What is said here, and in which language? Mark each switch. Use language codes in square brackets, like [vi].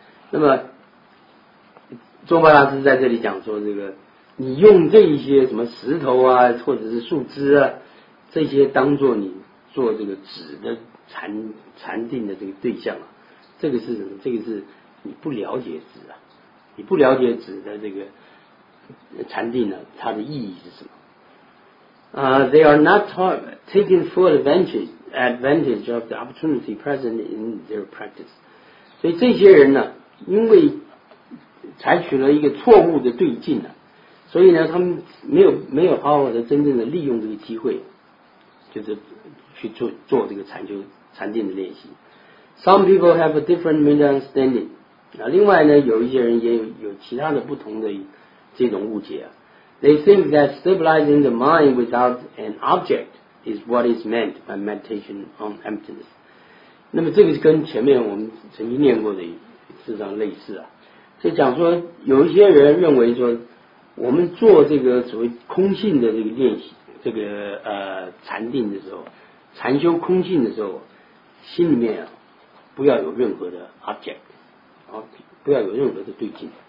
[zh] 那么宗巴大师在这里讲说，这个你用这一些什么石头啊或者是树枝啊这些当做你做这个止的禅定的这个对象啊，这个是什么，这个是你不了解止啊，你不了解止的这个禅定呢，它的意义是什么。 [en] They are not taking full advantage of the opportunity present in their practice。 [zh] 所以这些人呢，因为采取了一个错误的对境呢，所以呢，他们没有好好的真正的利用这个机会，就是去做这个禅定的练习。 [en] Some people have a different misunderstanding。 [zh] 那另外呢，有一些人也有其他的不同的这种误解啊。 [en] They think that stabilizing the mind without an object is what is meant by meditation on emptiness。 [zh] 那么这个跟前面我们曾经念过的事实上类似啊，就讲说有一些人认为说，我们做这个所谓空性的这个练习，这个禅定的时候，禅修空性的时候，心里面啊不要有任何的 object， 啊不要有任何的对境。